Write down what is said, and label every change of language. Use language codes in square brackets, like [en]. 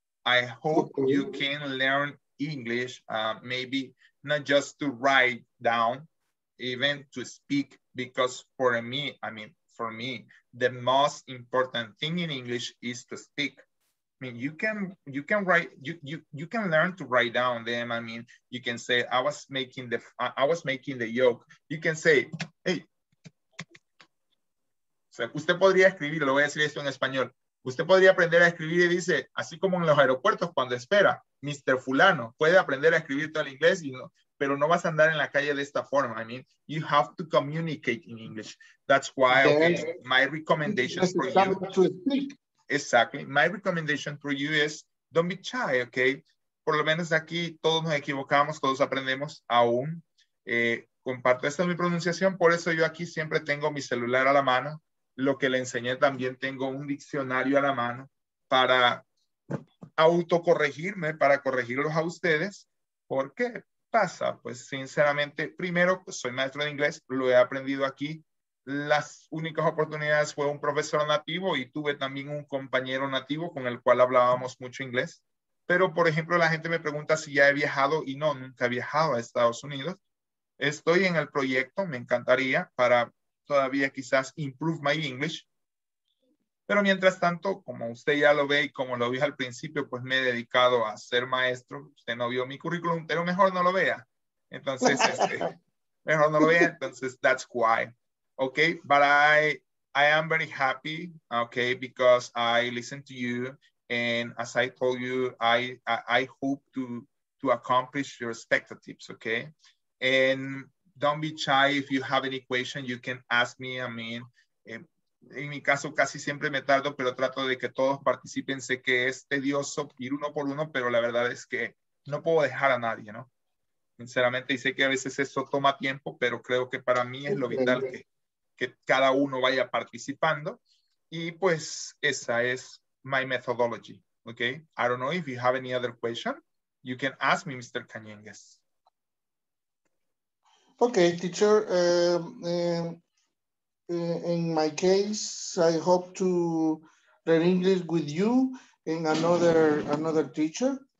[en] I hope you can learn English, maybe not just to write down, even to speak, because for me, the most important thing in English is to speak. I mean, you can write, you can learn to write down them. I mean, you can say, I was making the yolk. You can say, hey. [es] O sea, usted podría escribir, lo voy a decir esto en español. Usted podría aprender a escribir y dice, así como en los aeropuertos cuando espera, Mr. Fulano, puede aprender a escribir todo el inglés, y no, pero no vas a andar en la calle de esta forma. [en] I mean, you have to communicate in English. That's why, okay, my recommendation for you. To speak. Exactly. My recommendation for you is don't be shy, okay? [es] Por lo menos aquí todos nos equivocamos, todos aprendemos aún. Comparto, esta es mi pronunciación, por eso yo aquí siempre tengo mi celular a la mano. Lo que le enseñé también, tengo un diccionario a la mano para autocorregirme, para corregirlos a ustedes. ¿Por qué pasa? Pues sinceramente, primero, pues soy maestro de inglés, lo he aprendido aquí. Las únicas oportunidades fue un profesor nativo y tuve también un compañero nativo con el cual hablábamos mucho inglés. Pero, por ejemplo, la gente me pregunta si ya he viajado y no, nunca he viajado a Estados Unidos. Estoy en el proyecto, me encantaría, para todavía quizás [en] improve my English. [es] Pero mientras tanto, como usted ya lo ve y como lo vio al principio, pues me he dedicado a ser maestro. Usted no vio mi currículum, pero mejor no lo vea. Entonces, mejor no lo vea, entonces [en] that's why. Okay, but I am very happy, okay, because I listened to you. And as I told you, I hope to accomplish your expectations, okay? And don't be shy. If you have any question, you can ask me. I mean, [es] en mi caso casi siempre me tardo, pero trato de que todos participen. Sé que es tedioso ir uno por uno, pero la verdad es que no puedo dejar a nadie, ¿no? Sinceramente, y sé que a veces eso toma tiempo, pero creo que para mí es lo vital que cada uno vaya participando. Y pues esa es [en] my methodology, [es] okay? [en] I don't know if you have any other question. You can ask me, Mr. Cañengues. Okay, teacher, in my case, I hope to learn English with you and another teacher.